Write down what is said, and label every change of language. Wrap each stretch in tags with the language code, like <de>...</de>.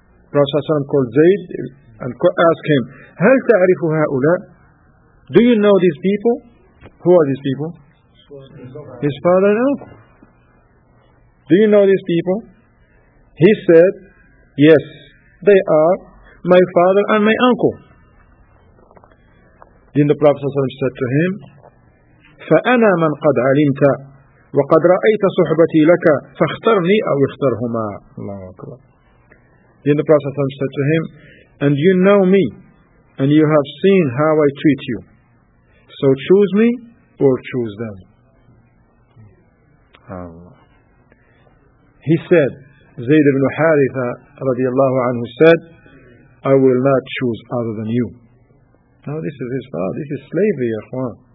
<en>Prophet called Zayd and asked him,</en> <ar>هَلْ تَعْرِفُ هَؤُلَاء?</ar> <en>Do you know these people? Who are these people? His father and uncle. Do you know these people? He said, yes, they are my father and my uncle. Then the Prophet said to him,</en> <ar>فَأَنَا مَنْ قَدْ عَلِمْتَ وَقَدْ رَأَيْتَ صُحْبَتِي لَكَ فَاخْتَرْنِي أَوْ اِخْتَرْهُمَا. Allahu Akbar.</ar> <en>Then the Prophet said to him, and you know me, and you have seen how I treat you. So choose me or choose them. Allah. He said, Zayd ibn Haritha radiallahu anhu said, I will not choose other than you. Now this is his father, this is slavery, Ikhwan.</en>